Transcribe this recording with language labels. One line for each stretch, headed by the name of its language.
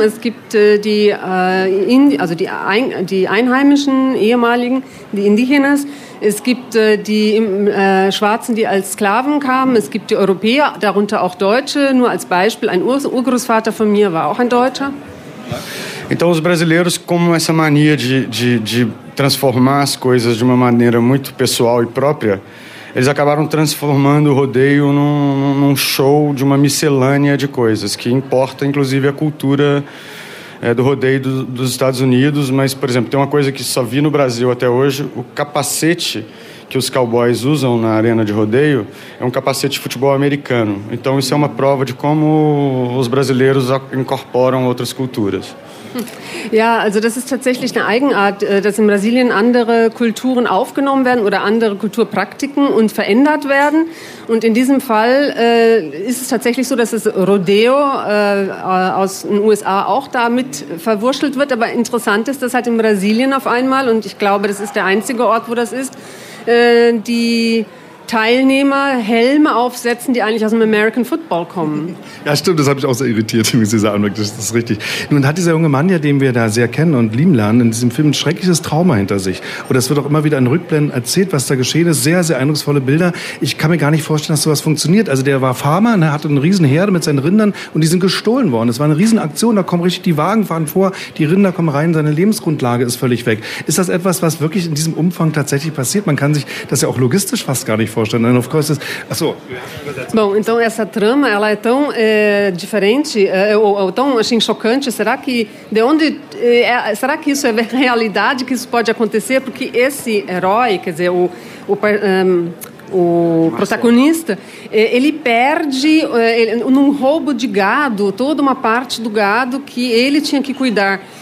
German: Es gibt die einheimischen ehemaligen, die Indigenas. Es gibt Schwarzen, die als Sklaven kamen. Es gibt die Europäer, darunter auch Deutsche. Nur als Beispiel, ein Urgroßvater von mir war auch ein Deutscher.
Portuguese: Então os brasileiros como essa mania de transformar as coisas de uma maneira muito pessoal e própria. Eles acabaram transformando o rodeio num show de uma miscelânea de coisas, que importa inclusive a cultura do rodeio dos Estados Unidos. Mas, por exemplo, tem uma coisa que só vi no Brasil até hoje, o capacete, que os cowboys usam na arena de rodeio é um capacete de futebol americano. Então isso é uma prova de como os brasileiros incorporam outras culturas.
German: Ja, also das ist tatsächlich eine Eigenart, dass in Brasilien andere Kulturen aufgenommen werden oder andere Kulturpraktiken und verändert werden. Und in diesem Fall ist es tatsächlich so, dass das Rodeo aus den USA auch damit verwurschtelt wird. Aber interessant ist, dass halt in Brasilien auf einmal, und ich glaube, das ist der einzige Ort, wo das ist, die Teilnehmer Helme aufsetzen, die eigentlich aus dem American Football kommen. Ja, stimmt, das hat mich auch sehr irritiert, wie Sie sagen, das ist richtig. Nun hat dieser junge Mann, ja, den wir da sehr kennen und lieben lernen, in diesem Film ein schreckliches Trauma hinter sich. Und das wird auch immer wieder in Rückblenden erzählt, was da geschehen ist. Sehr, sehr eindrucksvolle Bilder. Ich kann mir gar nicht vorstellen, dass sowas funktioniert. Also der war Farmer, und er hatte einen riesen Herde mit seinen Rindern und die sind gestohlen worden. Das war eine riesen Aktion, da kommen richtig die Wagen fahren vor, die Rinder kommen rein, seine Lebensgrundlage ist völlig weg. Ist das etwas, was wirklich in diesem Umfang tatsächlich passiert? Man kann sich das ja auch logistisch fast gar nicht vorstellen.
English: And of course,
Portuguese: Bom, então essa trama, ela é tão diferente, ou tão assim, chocante. Será que de onde será que isso é realidade, que isso pode acontecer? Porque esse herói, quer dizer, o protagonista, ele perde num roubo de gado, toda uma parte do gado que ele tinha que cuidar.